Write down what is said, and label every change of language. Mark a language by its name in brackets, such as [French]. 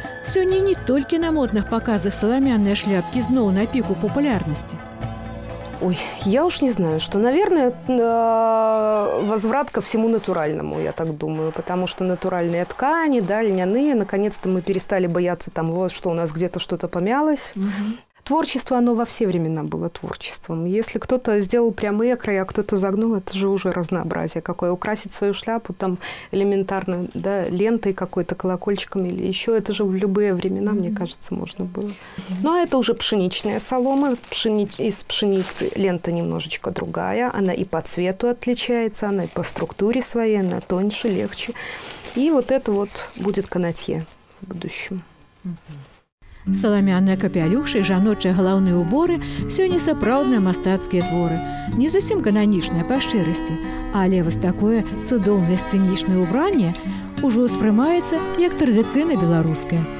[Belarusian] Сёння не толькі на модных паказах саламяныя шляпкі зноў на піку папулярнасці. [Russian] Ой, я уж не знаю, что, наверное, возврат ко всему натуральному, я так думаю, потому что натуральные ткани, да, льняные, наконец-то мы перестали бояться там, вот, что у нас где-то что-то помялось. Угу. Творчество, оно во все времена было творчеством. Если кто-то сделал прямо экры, а кто-то загнул, это же уже разнообразие какое. Украсить свою шляпу там элементарно, да, лентой какой-то, колокольчиком или еще, это же в любые времена, мне кажется, можно было. Ну, а это уже пшеничная солома, из пшеницы лента немножечко другая. Она и по цвету отличается, она и по структуре своей, она тоньше, легче. И вот это вот будет канатье в будущем. [Belarusian] Саламяныя капялюхі, жаночыя галаўныя ўборы – сёння сапраўдныя мастацкія творы. Не зусім кананічныя па шчырасці, але вось такое цудоўнае сцэнічнае ўбранне ўжо ўспрымаецца як традыцыйна беларуская.